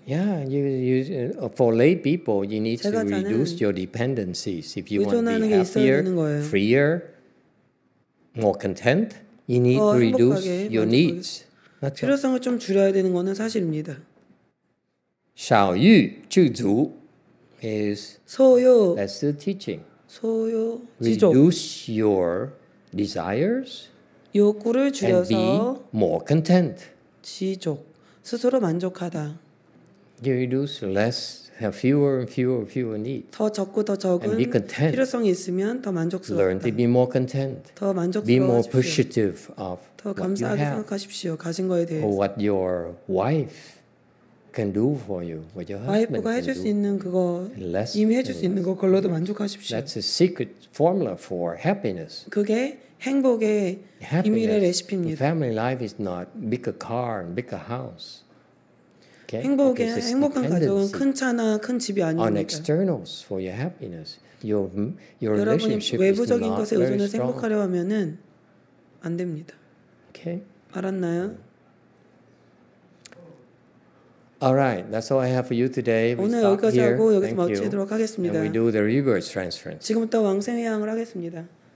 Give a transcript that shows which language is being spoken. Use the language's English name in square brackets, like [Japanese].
[English] Yeah, you for lay people, you need to reduce your dependencies. If you want to be happier, freer, more content, you need to reduce your needs. [Korean] 필요성을 좀 줄여야 되는 거는 사실입니다. 샤유 지주 is 소요. [English] That's the teaching. [Korean] 소요 [English] 지족. Reduce your desires. [Korean] 욕구를 줄여서 [English] and be more content. [Korean] 지족. 스스로 만족하다. [English] You reduce less, have fewer needs. [Korean] 더 적고 더 적은 필요성이 있으면 더 만족스럽다. [English] Learn to be more content. [Korean] 더 만족스러워. [English] Be more appreciative of what you have. [Korean] 더 감사하게 생각하십시오. 가진 거에 대해서. [English] Or what your wife can do for you, what your husband [Korean] 와이프가 해줄 수 있는 그거, 이미 해줄 수 있는 거, 그걸로도 만족하십시오. [English] That's a secret formula for happiness. [Korean] 그게 행복의 비밀의 레시피입니다. [English] Family life is not big a car and big a house. Okay? [Korean] 행복의 okay, 행복한 가족은 큰 차나 큰 집이 아닙니다. [English] On externals for your happiness, your relationship is not very strong. [Korean] 외부적인 것에 의존해서 행복하려 하면은 안 됩니다. [English] Okay. [Korean] 알았나요? [English] All right, that's all I have for you today. We [Korean] 오늘 여기까지 [English] here. [Korean] 하고 여기서 마치도록 하겠습니다. [English] And we do the rebirth transference. [Korean] 지금부터 왕생회향을 하겠습니다.